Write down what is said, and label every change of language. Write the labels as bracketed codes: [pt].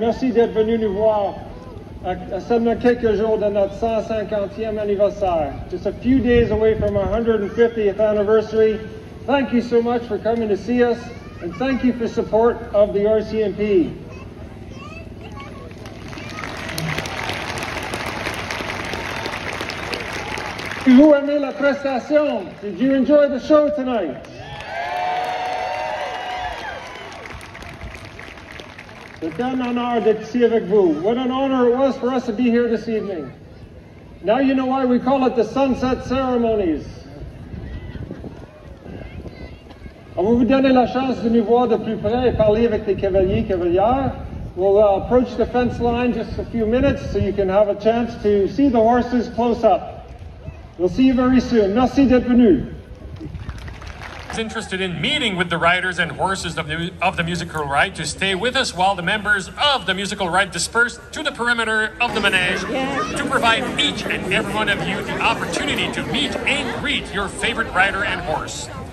[fr] Merci d'être venu nous voir à seulement quelques jours de notre 150e anniversaire. [en] Just a few days away from our 150th anniversary. Thank you so much for coming to see us. And thank you for support of the RCMP. [fr] Vous aimez la prestation? [en] Did you enjoy the show tonight? [fr] C'est un honneur d'être ici avec vous. [en] What an honor it was for us to be here this evening. Now you know why we call it the Sunset Ceremonies. [fr] On va vous donner la chance de nous voir de plus près et parler avec les cavaliers et cavalières. [en] We'll approach the fence line just a few minutes so you can have a chance to see the horses close up. We'll see you very soon. [fr] Merci d'être venu. [en] Interested in meeting with the riders and horses of the musical ride to stay with us while the members of the musical ride disperse to the perimeter of the menage to provide each and every one of you the opportunity to meet and greet your favorite rider and horse.